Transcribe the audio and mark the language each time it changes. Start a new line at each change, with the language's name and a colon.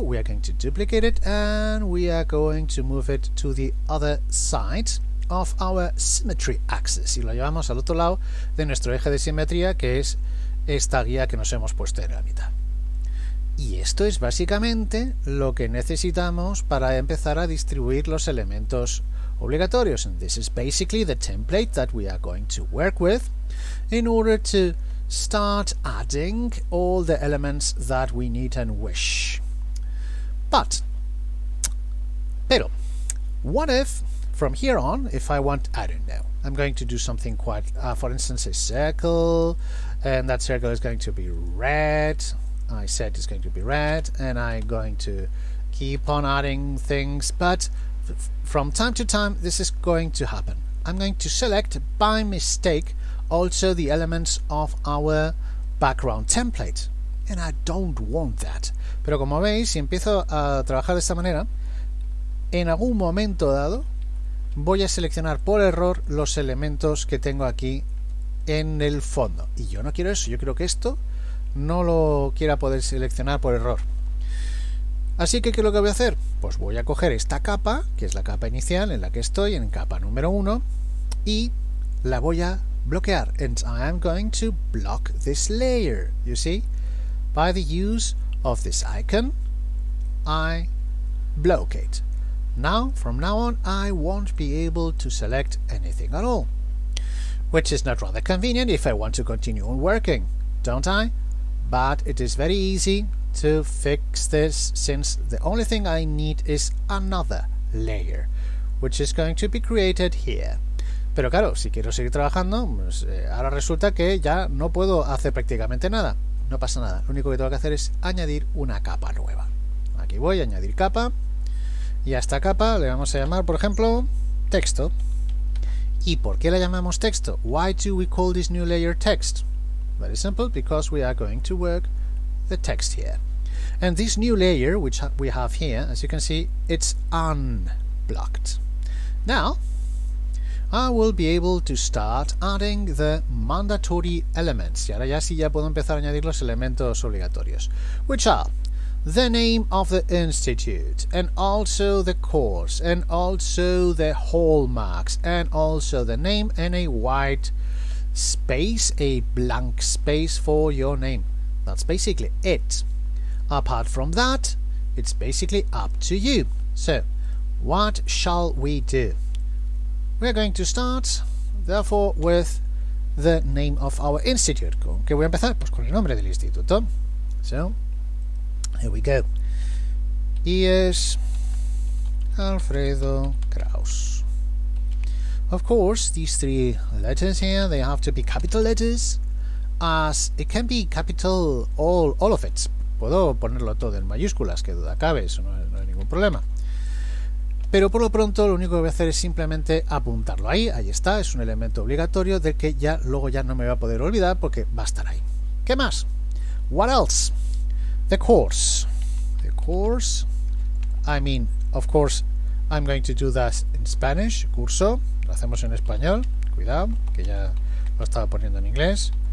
English: We are going to duplicate it, and we are going to move it to the other side of our symmetry axis.
Spanish: Y lo llevamos al otro lado de nuestro eje de simetría, que es esta guía que nos hemos puesto en la mitad. Y esto es básicamente lo que necesitamos para empezar a distribuir los elementos obligatorios.
English: And this is basically the template that we are going to work with in order to start adding all the elements that we need and wish.
Spanish: Pero,
English: what if from here on, if I want, I don't know, I'm going to do something quite, for instance, a circle, and that circle is going to be red. I said it's going to be red, and I'm going to keep on adding things, but from time to time, this is going to happen. I'm going to select, by mistake, also the elements of our background template. And I don't want that.
Spanish: Pero como veis, si empiezo a trabajar de esta manera, en algún momento dado, voy a seleccionar por error los elementos que tengo aquí en el fondo. Y yo no quiero eso, yo quiero que esto no lo quiera poder seleccionar por error. Así que, ¿qué es lo que voy a hacer? Pues voy a coger esta capa, que es la capa inicial en la que estoy, en capa número 1, y la voy a bloquear.
English: And I am going to block this layer, you see? By the use of this icon, I block it. Now, from now on, I won't be able to select anything at all. Which is not rather convenient if I want to continue on working, don't I? But it is very easy to fix this, since the only thing I need is another layer, which is going to be created here.
Spanish: Pero claro, si quiero seguir trabajando, pues ahora resulta que ya no puedo hacer prácticamente nada. No pasa nada, lo único que tengo que hacer es añadir una capa nueva. Aquí voy a añadir capa, y a esta capa le vamos a llamar, por ejemplo, texto. ¿Y por qué la llamamos texto?
English: Why do we call this new layer text? Very simple, because we are going to work the text here. And this new layer, which we have here, as you can see, it's unblocked. Now, I will be able to start adding the mandatory elements.
Spanish: Y ahora ya sí ya puedo empezar a añadir los elementos obligatorios,
English: which are the name of the institute, and also the course, and also the hallmarks, and also the name, and a white space, a blank space for your name. That's basically it. Apart from that, it's basically up to you. So, what shall we do? We're going to start, therefore, with the name of our institute.
Spanish: ¿Con qué voy a empezar? Pues con el nombre del instituto.
English: So, here we go. is Alfredo Kraus. Of course, these three letters here, they have to be capital letters, as it can be capital all of it.
Spanish: Puedo ponerlo todo en mayúsculas, que duda cabe, eso no, no hay ningún problema. Pero por lo pronto, lo único que voy a hacer es simplemente apuntarlo ahí. Ahí está, es un elemento obligatorio del que ya luego ya no me voy a poder olvidar porque va a estar ahí. ¿Qué más?
English: What else? The course. The course. I mean, of course, I'm going to do that in Spanish.
Spanish: Curso. Lo hacemos en español. Cuidado, que ya lo estaba poniendo en inglés.